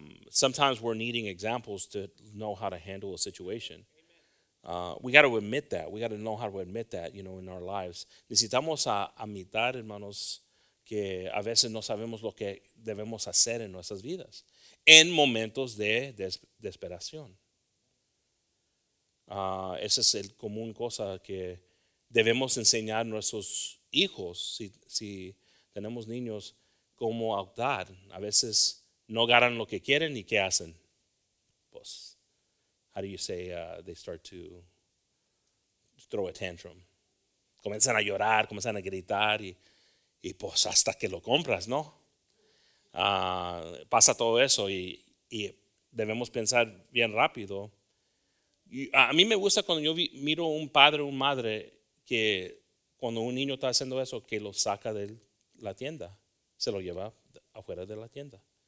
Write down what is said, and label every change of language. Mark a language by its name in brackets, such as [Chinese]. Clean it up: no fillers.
[English] Sometimes we're needing examples to know how to handle a situation. We got to admit that. We got to know how to admit that, you know, in our lives. [Spanish] Necesitamos admitir, hermanos, que a veces no sabemos lo que debemos hacer en nuestras vidas en momentos de desesperación. Esa es la común cosa que debemos enseñar a nuestros hijos, si tenemos niños, cómo actuar. A veces no ganan lo que quieren y ¿qué hacen? [English] Pues, how do you say they start to throw a tantrum? [Spanish] Comienzan a llorar, comienzan a gritar y pues hasta que lo compras, ¿no? Pasa todo eso y debemos pensar bien rápido. Y a mí me gusta cuando yo miro un padre o una madre que cuando un niño está haciendo eso, que lo saca de la tienda, se lo lleva afuera de la tienda.